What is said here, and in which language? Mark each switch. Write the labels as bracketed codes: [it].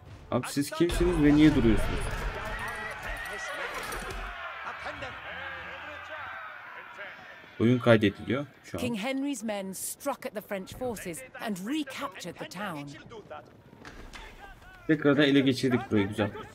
[tr] Abi siz kimsiniz ve niye duruyorsunuz? Oyun kaydediliyor şu an. [en] King Henry's men struck at the French forces and recaptured the town. [tr] Tekrardan ele geçirdik burayı, güzel.